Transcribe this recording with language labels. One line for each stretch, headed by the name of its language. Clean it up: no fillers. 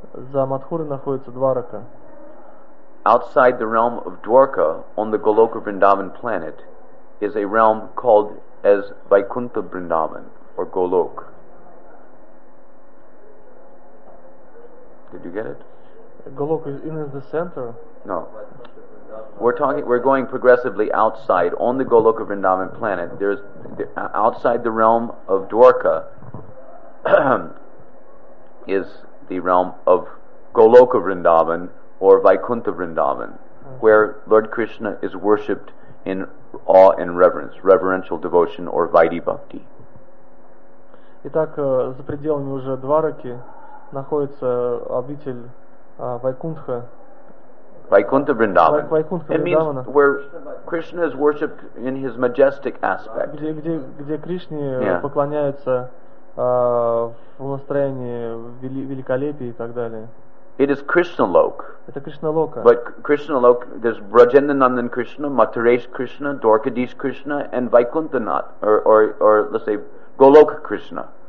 Russian: За Матхурой находится Дварака.
English: Outside the realm of Dwarka, on the Goloka Vrindavan planet, is a realm called as Vaikuntha Vrindavan or Golok. Did you get it? Golok is in the center. No. We're going progressively outside on the Goloka Vrindavan planet. There's outside the realm of Dwarka is the realm of Goloka Vrindavan or Vaikuntha Vrindavan, where Lord Krishna is worshipped in awe and reverence, reverential devotion or Vaidhi Bhakti.
Russian: Итак, за пределами уже Двараки находится обитель Вайкунтха.
English: Vaikuntha Vrindavan. Vaikuntha it means where Krishna is worshipped in his majestic aspect.
Russian: Где Кришне поклоняются в настроении великолепия и так далее.
English: It is Krishna Lok.
Russian: Это Кришна Лока.
English: But Krishna Lok, there's Brajendra Nandan Krishna, Mathuresh Krishna, Dwarkadish Krishna, and Vaikunthanath, or let's say Golok Krishna.